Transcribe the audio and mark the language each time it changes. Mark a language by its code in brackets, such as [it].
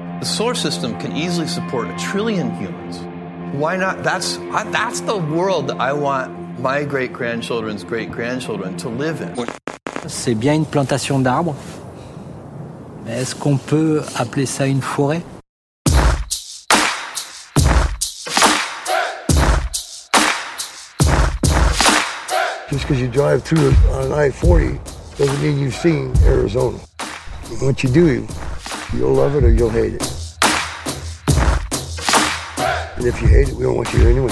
[en] The solar system can easily support a trillion humans. Why not? That's the world that I want my great-grandchildren's great-grandchildren to live in. [fr] C'est bien une plantation d'arbres, mais est-ce qu'on peut appeler ça une forêt? [en] Just because you drive through on an I-40 doesn't mean you've seen Arizona. Once you do, you'll love it or you'll hate it. And if you hate it, we don't want you here anyway.